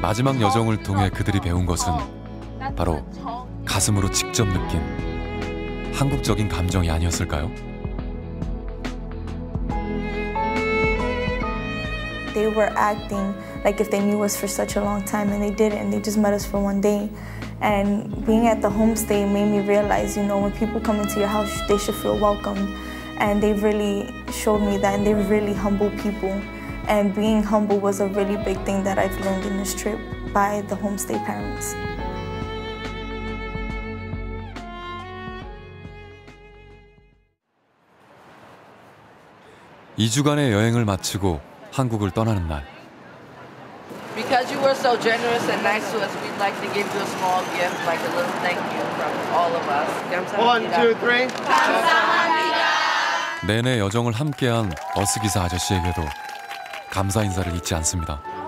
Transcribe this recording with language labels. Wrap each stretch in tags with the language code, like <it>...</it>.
<ko>마지막 여정을 통해 그들이 배운 것은 바로 가슴으로 직접 느낀 한국적인 감정이 아니었을까요?</ko> <en>They were acting like if they knew us for such a long time, and they didn't. They just met us for one day. And being at the homestay made me realize, you know, when people come into your house, they should feel welcomed. And they really showed me that, and they're really humble people. And being humble was a really big thing that I've learned in this trip by the homestay parents.</en> <ko>2주간의 여행을 마치고 한국을 떠나는 날.</ko> <en>Because you were so generous and nice to us, we'd like to give you a small gift, like a little thank you from all of us.</en> <ko>감사합니다.</ko> <en>One, two, three.</en> <ko>감사합니다. 내내 여정을 함께한 버스 기사 아저씨에게도 감사 인사를 잊지 않습니다.</ko>